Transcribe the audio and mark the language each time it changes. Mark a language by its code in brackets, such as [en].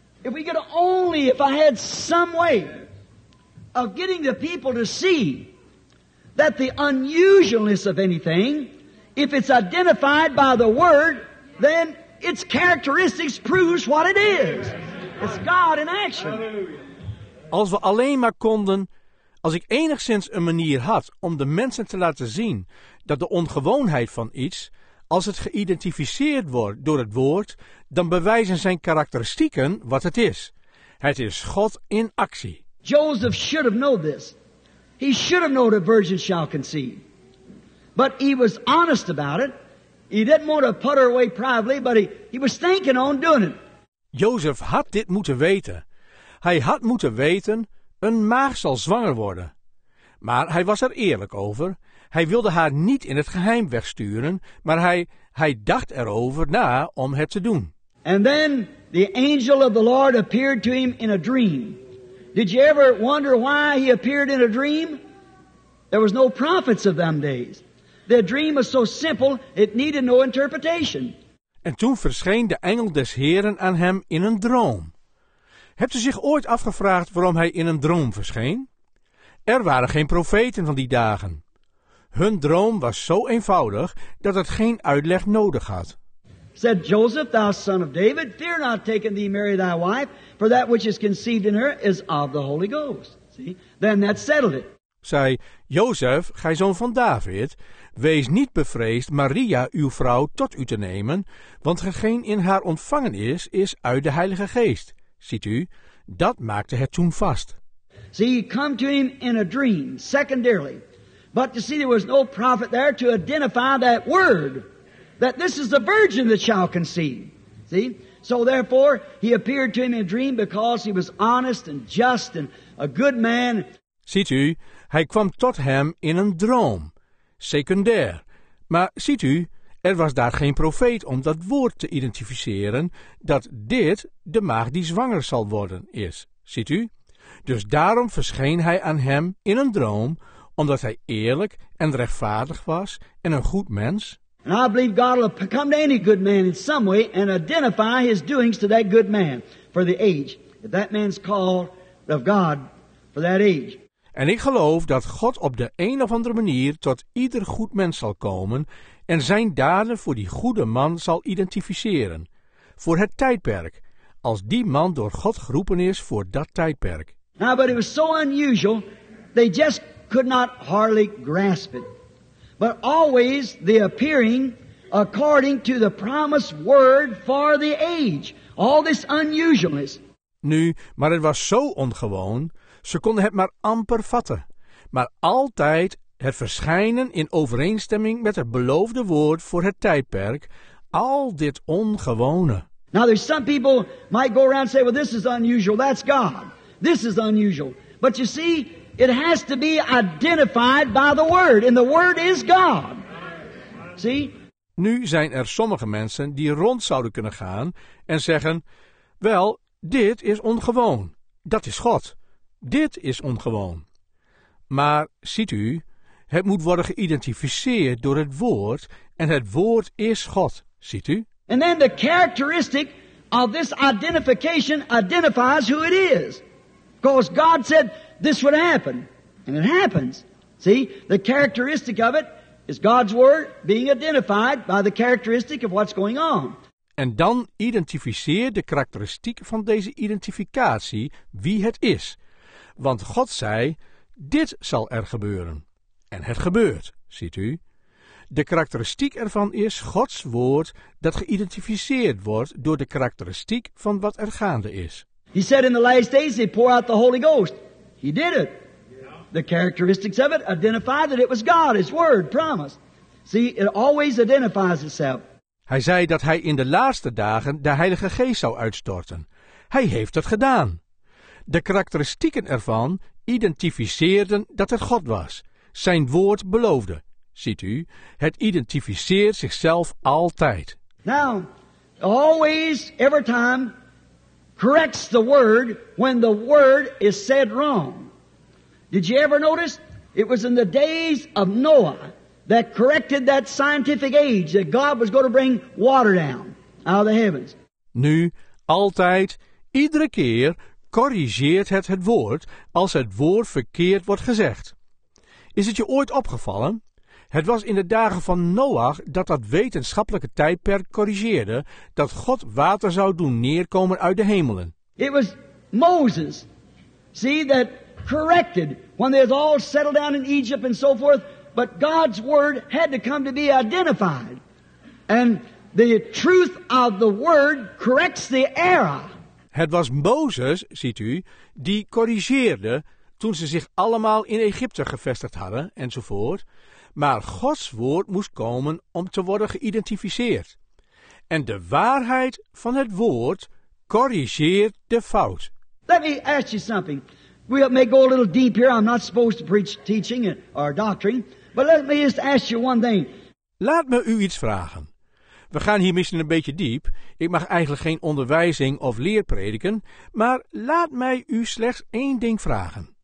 [en] If we could only, if I had some way of getting the people to see that the unusualness of anything, if it's identified by the word, then its characteristics proves what it is. It's God in action. [nl] Als we alleen maar konden, als ik enigszins een manier had om de mensen te laten zien dat de ongewoonheid van iets, als het geïdentificeerd wordt door het woord, dan bewijzen zijn karakteristieken wat het is. Het is God in actie. [en] Joseph should have known this. He should have known a virgin shall conceive. But he was honest about it. He didn't want to put her away privately, but he was thinking on doing it. [nl] Joseph had dit moeten weten. Hij had moeten weten, een maagd zal zwanger worden. Maar hij was er eerlijk over. Hij wilde haar niet in het geheim wegsturen, maar hij dacht erover na om het te doen. [en] And then the angel of the Lord appeared to him in a dream. Did you ever wonder why he appeared in a dream? There was no prophets of them days. The dream was so simple, it needed no interpretation. [nl] En toen verscheen de engel des Heren aan hem in een droom. Hebt u zich ooit afgevraagd waarom hij in een droom verscheen? Er waren geen profeten van die dagen. Hun droom was zo eenvoudig dat het geen uitleg nodig had. [en] Said Joseph, thou son of David, fear not taking thee Mary thy wife, for that which is conceived in her is of the Holy Ghost. See? Then that settled it. [nl] Zei Jozef, gij zoon van David, wees niet bevreesd Maria uw vrouw tot u te nemen, want hetgeen in haar ontvangen is, is uit de Heilige Geest. Ziet u, dat maakte het toen vast. [en] See, he come to him in a dream, secondarily. But you see, there was no prophet there to identify that word, that this is the virgin that shall conceive. See? So therefore, he appeared to him in a dream because he was honest and just and a good man. [nl] Ziet u, hij kwam tot hem in een droom, secundair. Maar ziet u, er was daar geen profeet om dat woord te identificeren dat dit de maagd die zwanger zal worden is, ziet u? Dus daarom verscheen hij aan hem in een droom, omdat hij eerlijk en rechtvaardig was en een goed mens. [en] And I believe God will come to any good man in some way and identify his doings to that good man for the age. If that man's called of God for that age. [nl] En ik geloof dat God op de een of andere manier tot ieder goed mens zal komen en zijn daden voor die goede man zal identificeren, voor het tijdperk, als die man door God geroepen is voor dat tijdperk. [en] Now, but it was so unusual, they just could not hardly grasp it. But always the appearing according to the promised word for the age. All this unusualness. [nl] Nu, maar het was zo ongewoon, ze konden het maar amper vatten. Maar altijd het verschijnen in overeenstemming met het beloofde woord voor het tijdperk. Al dit ongewone. [en] Now there's some people might go around and say, well, this is unusual, that's God. This is unusual. But you see, it has to be identified by the word. And the word is God. See? [nl] Nu zijn er sommige mensen die rond zouden kunnen gaan en zeggen, wel, dit is ongewoon. Dat is God. Dit is ongewoon. Maar, ziet u, het moet worden geïdentificeerd door het woord en het woord is God, ziet u? [en] And then the characteristic of this identification identifies who it is. Because God said this would happen, and it happens. See, the characteristic of it is God's word being identified by the characteristic of what's going on. [nl] En dan identificeert de karakteristiek van deze identificatie wie het is. Want God zei, dit zal er gebeuren. En het gebeurt, ziet u. De karakteristiek ervan is Gods woord dat geïdentificeerd wordt door de karakteristiek van wat er gaande is. [en] He said in the last days they pour out the Holy Ghost. He did it. The characteristics of it identify that it was God, his word, promise. See, it always identifies itself. [nl] Hij zei dat hij in de laatste dagen de Heilige Geest zou uitstorten. Hij heeft het gedaan. De karakteristieken ervan identificeerden dat het God was. Zijn woord beloofde. Ziet u, het identificeert zichzelf altijd. [en] Now, always, every time, corrects the word when the word is said wrong. Did you ever notice? It was in the days of Noah that corrected that scientific age that God was going to bring water down out of the heavens. [nl] Nu, altijd, iedere keer corrigeert het woord als het woord verkeerd wordt gezegd. Is het je ooit opgevallen? Het was in de dagen van Noach dat wetenschappelijke tijdperk corrigeerde dat God water zou doen neerkomen uit de hemelen. [en] It was Moses, see, that corrected when they had all settled down in Egypt and so forth, but God's word had to come to be identified. And the truth of the word corrects the error. [nl] Het was Mozes, ziet u, die corrigeerde toen ze zich allemaal in Egypte gevestigd hadden enzovoort. Maar Gods woord moest komen om te worden geïdentificeerd. En de waarheid van het woord corrigeert de fout. [en] Let me ask you something. We may go a little deep here. I'm not supposed to preach teaching or doctrine. But let me just ask you one thing. [nl] Laat me u iets vragen. We gaan hier misschien een beetje diep. Ik mag eigenlijk geen onderwijzing of leer prediken, maar laat mij u slechts één ding vragen.